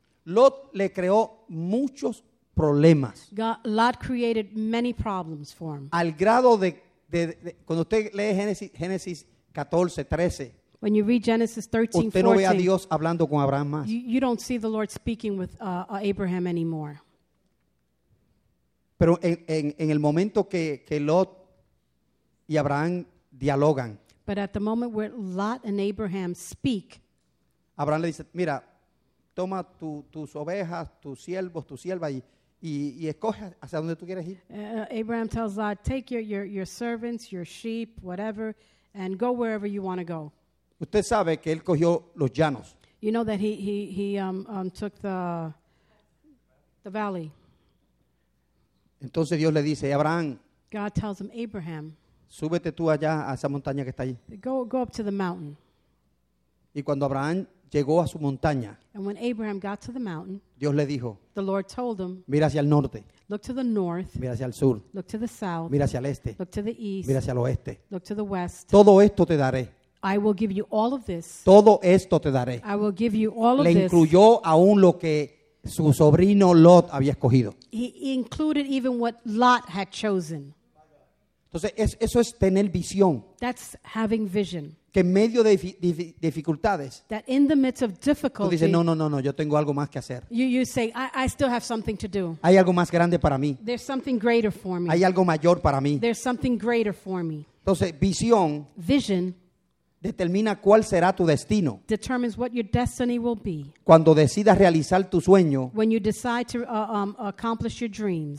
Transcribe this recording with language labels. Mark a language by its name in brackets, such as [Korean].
[Spanish] Lot le creó muchos problemas. [English] God, Lot created many problems for him. [Spanish] Al grado de cuando usted lee Génesis 14, 13, [English] when you read Genesis 13, 14, [Spanish] usted no ve a Dios hablando con Abraham más. [English] You don't see the Lord speaking with Abraham anymore. [Spanish] Pero en el momento que Lot y Abraham dialogan, [English] but at the moment where Lot and Abraham speak, [Spanish] Abraham le dice, mira, toma tus ovejas, tus siervos, tus siervas y escoge hacia donde tú quieres ir. [English] Abraham tells Lot, take your servants, your sheep, whatever, and go wherever you want to go. [Spanish] Usted sabe que él cogió los llanos. [English] You know that he took the valley. [Spanish] Entonces Dios le dice, Abraham. [English] God tells him, Abraham. [Spanish] Súbete tú allá a esa montaña que está ahí. [English] Go up to the mountain. [Spanish] Y cuando Abraham llegó a su montaña. [English] And when Abraham got to the mountain, [Spanish] Dios le dijo, [English] the Lord told him, [Spanish] mira hacia el norte. [English] Look to the north. [Spanish] Mira hacia el sur. [English] Look to the south. [Spanish] Mira hacia el este. [English] Look to the east. [Spanish] Mira hacia el oeste. [English] Look to the west. [Spanish] Todo esto te daré. [English] I will give you all of this. [Spanish] Todo esto te daré. [English] I will give you all [Spanish] le [English] of this. [Spanish] Le incluyó aún lo que su sobrino Lot había escogido. [English] He included even what Lot had chosen. [Spanish] Entonces, eso es tener visión. [English] That's having vision. [Spanish] que en medio de dificultades [English] that in the midst of difficulty, [Spanish] tú dices, no, yo tengo algo más que hacer. [English] You say, I still have something to do. [Spanish] Hay algo más grande para mí. [English] There's something greater for me. [Spanish] Hay algo mayor para mí. [English] There's something greater for me. [Spanish] Entonces, visión [English] vision [Spanish] determina cuál será tu destino. [English] Determines what your destiny will be. [Spanish] Cuando decidas realizar tu sueño, [English] when you decide to accomplish your dreams,